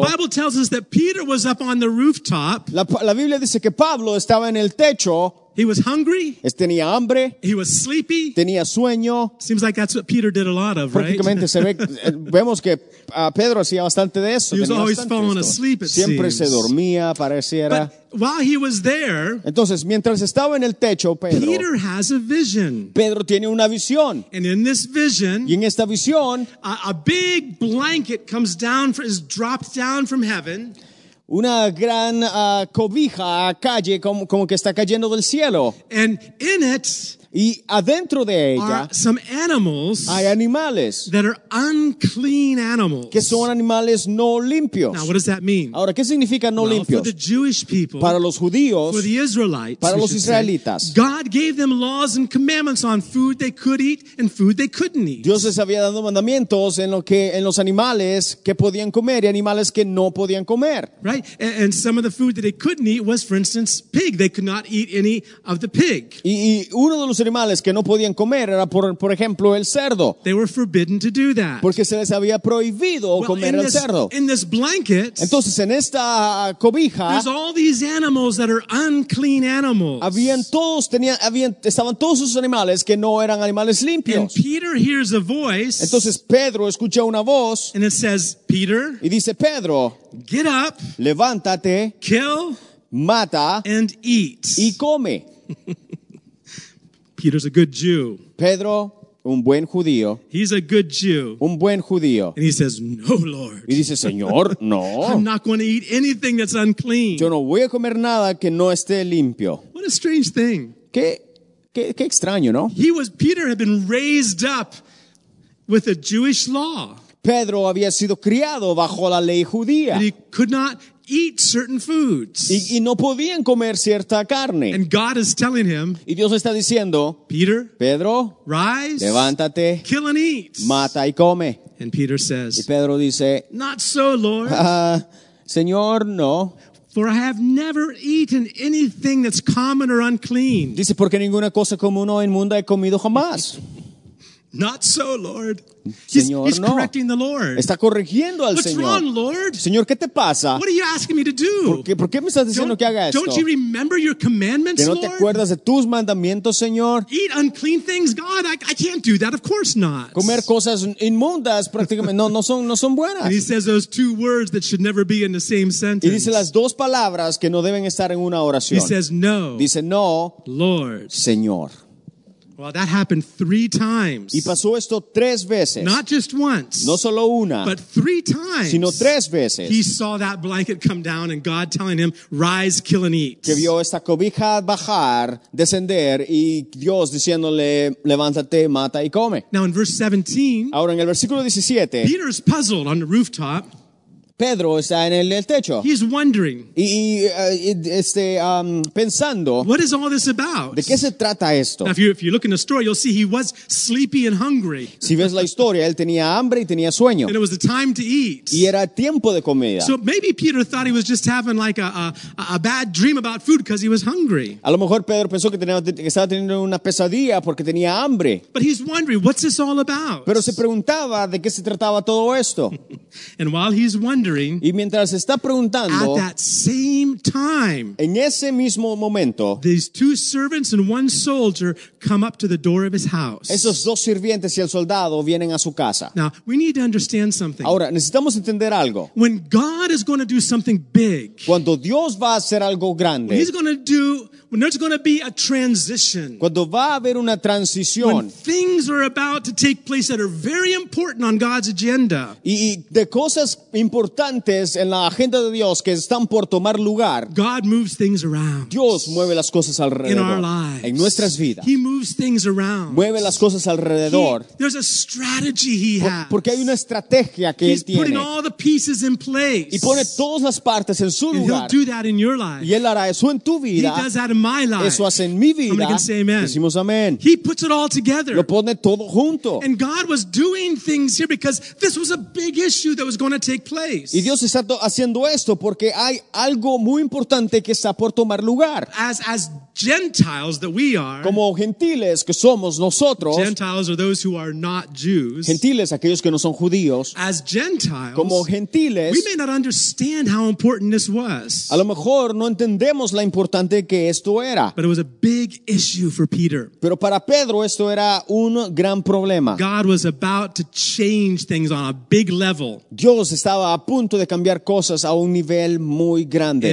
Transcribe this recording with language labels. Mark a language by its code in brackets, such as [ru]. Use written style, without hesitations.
[en] the Bible tells us that Peter was up on the rooftop, [es] la Biblia dice que Pablo estaba en el techo. [en] He was hungry. [es] Tenía hambre. [en] He was sleepy. [es] Tenía sueño. [en] Seems like that's what Peter did a lot of, right? [es] Se ve, vemos que Pedro hacía bastante de eso. [en] He was always falling asleep, it [es] Siempre [en] seems. [es] Se dormía, pareciera. [en] But while he was there, [es] entonces, mientras estaba en el techo, Pedro, [en] Peter has a vision. [es] Pedro tiene una visión. [en] And in this vision, [es] y en esta visión, [en] a big blanket comes down, is dropped down from heaven. [es] Una gran cobija cae como que está cayendo del cielo. [en] And in it, [es] y adentro de ella [en] some animals, [es] hay animales [en] that are unclean animals, [es] que son animales no limpios. [en] Now, what does that mean? [es] Ahora, ¿qué significa no [en] well, [es] limpios? [en] For the Jewish people, [es] para los judíos, [en] for the Israelites, [es] para los israelitas, [en] say, God gave them laws and commandments on food they could eat and food they couldn't eat. [es] Dios les había dado mandamientos en los animales que podían comer y animales que no podían comer. [en] Right? And some of the food that they couldn't eat was, for instance, pig. They could not eat any of the pig. [es] Y uno de los animales que no podían comer era por ejemplo el cerdo. [en] They were forbidden to do that. [es] Porque se les había prohibido [en] well, [es] comer [en] in [es] el [en] this, [es] cerdo. [en] In this blanket, [es] entonces en esta cobija [en] there's all these animals that are unclean animals. [es] Estaban todos esos animales que no eran animales limpios. [en] And Peter hears a voice, [es] entonces Pedro escucha una voz [en] and it says, Peter, [es] y dice Pedro, [en] get up, [es] levántate, [en] kill, [es] mata [en] and eat. [es] Y come. [en] Peter's a good Jew. [es] Pedro, un buen judío. [en] He's a good Jew. [es] Un buen judío. [en] And he says, no, Lord. [es] Y dice, Señor, no. [en] I'm not going to eat anything that's unclean. [es] Yo no voy a comer nada que no esté limpio. [en] What a strange thing. [es] Qué extraño, ¿no? [en] Peter had been raised up with a Jewish law. [es] Pedro había sido criado bajo la ley judía. [en] But he could not eat certain foods. [es] Y no podían comer cierta carne. [en] And God is telling him, [es] y Dios está diciendo, [en] Peter, [es] Pedro, [en] rise, [es] levántate, [en] kill and eat. [es] Mata y come. [en] And Peter says, [es] y Pedro dice, [en] not so, Lord. [es] Señor, no. [en] For I have never eaten anything that's common or unclean. [es] Dice, porque ninguna cosa común o inmunda he comido jamás. [en] Not so, Lord. [es] Señor, [en] he's correcting the Lord. [es] Está corrigiendo al [en] What's [es] Señor. [en] What's wrong, Lord? [es] Señor, ¿qué te pasa? [en] What are you asking me to do? [es] ¿Por qué me estás diciendo que haga esto? [en] Don't you remember your commandments, Lord? [es] ¿Que no te acuerdas de tus mandamientos, Señor? [en] Eat unclean things, God. I can't do that. Of course not. [es] Comer cosas inmundas, prácticamente no son buenas. [en] And he says those two words that should never be in the same sentence. [es] Y dice las dos palabras que no deben estar en una oración. [en] He says no. [es] Dice no, [en] Lord. [es] Señor. [en] Well, that happened three times. [es] Y pasó esto tres veces. [en] Not just once. [es] No solo una. [en] But three times. [es] Sino tres veces. [en] He saw that blanket come down and God telling him, rise, kill and eat. [es] Que vio esta cobija bajar, descender y Dios diciéndole, levántate, mata y come. [en] Now in verse 17. [es] Ahora en el versículo 17. [en] Peter is puzzled on the rooftop. [es] Pedro está en el techo. [en] He's wondering. [es] Pensando. [en] What is all this about? [es] ¿De qué se trata esto? [en] Now, if you look in the story, you'll see he was sleepy and hungry. [es] Si ves la historia, él tenía hambre y tenía sueño. [en] And it was the time to eat. [es] Y era tiempo de comida. [en] So maybe Peter thought he was just having like a bad dream about food because he was hungry. [es] A lo mejor Pedro pensó que estaba teniendo una pesadilla porque tenía hambre. [en] But he's wondering, what's this all about? [es] Pero se preguntaba de qué se trataba todo esto. [en] And while he's wondering. [es] Y mientras está preguntando, [en] at that same time, [es] en ese mismo momento, [en] these two servants and one soldier come up to the door of his house. [es] Esos dos sirvientes y el soldado vienen a su casa. [en] Now, we need to understand something. [es] Ahora, necesitamos entender algo. [en] When God is going to do something big, [es] cuando Dios va a hacer algo grande, [en] when he's going to do, when there's going to be a transition, [es] cuando va a haber una transición, [en] when things are about to take place that are very important on God's agenda, [es] y de cosas importantes en la agenda de Dios que están por tomar lugar, [en] God moves things around. [es] Dios mueve las cosas alrededor [en] in our lives. [es] En nuestras vidas. [en] He moves things around. [es] Mueve las cosas alrededor. [en] There's a strategy he has. [es] Porque hay una estrategia que [en] He's [es] él tiene. [en] Putting all the pieces in place. [es] Y pone todas las partes en su [en] and [es] lugar. [en] He'll do that in your life. [es] Y él hará eso en tu vida. [en] He does that in my life. [es] Eso hace en mi vida. [en] Can say amen. [es] Decimos amén. [en] He puts it all together. [es] Lo pone todo junto. [en] And God was doing things here because this was a big issue that was going to take place. [es] Y Dios está haciendo esto porque hay algo muy importante que está por tomar lugar. [en] As Gentiles that we are. [es] Como gentiles que somos nosotros. [en] Gentiles are those who are not Jews. [es] Gentiles aquellos que no son judíos. [en] As Gentiles. [es] Como gentiles. [en] We may not understand how important this was. [es] A lo mejor no entendemos la importante que esto era. [en] But it was a big issue for Peter. [es] Pero para Pedro esto era un gran problema. [en] God was about to change things on a big level. [es] Dios estaba a punto de cambiar cosas a un nivel muy grande.